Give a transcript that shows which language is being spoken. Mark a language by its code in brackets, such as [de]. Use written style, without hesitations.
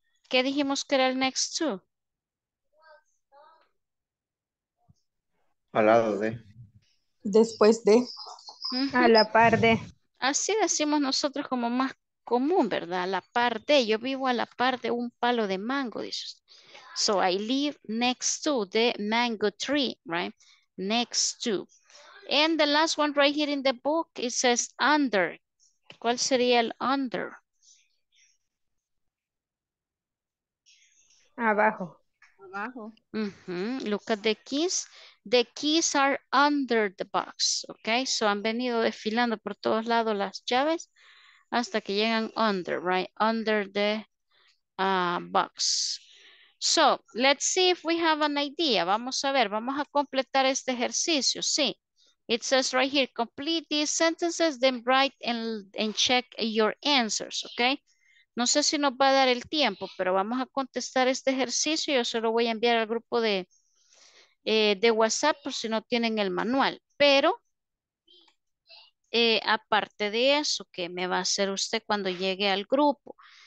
[es] ¿Qué dijimos que era el next to? Al lado de. Después de. A la par de. Así decimos nosotros como más común, ¿verdad? A la par de. Yo vivo a la par de un palo de mango, dice. [en] So I live next to the mango tree, right? Next to. And the last one right here in the book, it says under. [es] ¿Cuál sería el under? Abajo. [en] Abajo. Mm-hmm. Look at the keys. The keys are under the box. [es] Okay, so han venido desfilando por todos lados las llaves hasta que llegan under, right? [en] Under the box. So, let's see if we have an idea. [es] Vamos a ver, vamos a completar este ejercicio. [en] Sí, it says right here, complete these sentences, then write and check your answers, okay? [es] No sé si nos va a dar el tiempo, pero vamos a contestar este ejercicio. Yo se lo voy a enviar al grupo de WhatsApp por si no tienen el manual. Pero, aparte de eso, ¿qué me va a hacer usted cuando llegue al grupo?